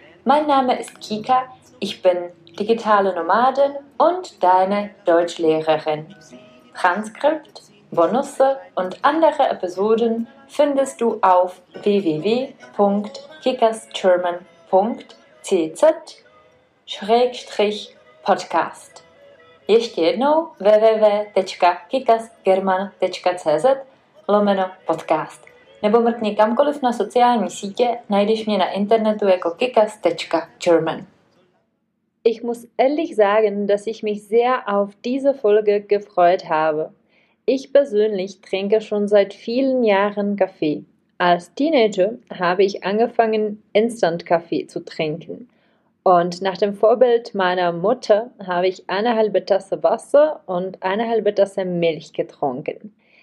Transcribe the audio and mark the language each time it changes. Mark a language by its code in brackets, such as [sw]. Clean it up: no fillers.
[de] Mein Name ist Kika, ich bin digitale Nomadin und deine Deutschlehrerin. Transkript, Bonusse und andere Episoden findest du auf www.kikasgerman.cz/podcast. [cs] Ještě jednou www.kikasgerman.cz/podcast. Nebo mrkni kamkoliv na sociální sítě, najdeš mě na internetu jako kikas.german. [de] Ich muss ehrlich sagen, dass ich mich sehr auf diese Folge gefreut habe. Ich persönlich trinke schon seit vielen Jahren Kaffee. Als Teenager habe ich angefangen, Instant-Kaffee zu trinken. Und nach dem Vorbild meiner Mutter habe ich eine halbe Tasse Wasser und eine halbe Tasse Milch getrunken.